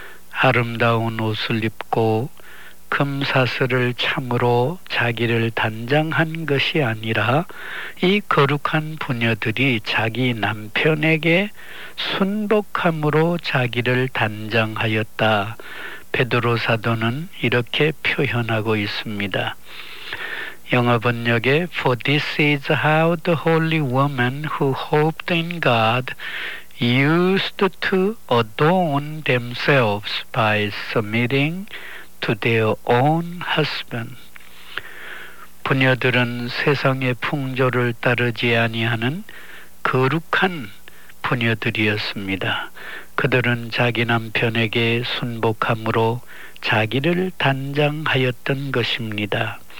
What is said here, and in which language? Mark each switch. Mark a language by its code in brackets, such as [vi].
[ko] 아름다운 옷을 입고 금사슬을 참으로 자기를 단장한 것이 아니라 이 거룩한 부녀들이 자기 남편에게 순복함으로 자기를 단장하였다. 베드로 사도는 이렇게 표현하고 있습니다. 영어 번역에 [en] For this is how the holy woman who hoped in God used to adorn themselves by submitting to their own husband. [ko] 부녀들은 세상의 풍조를 따르지 아니하는 거룩한 부녀들이었습니다. 그들은 자기 남편에게 순복함으로 자기를 단장하였던 것입니다.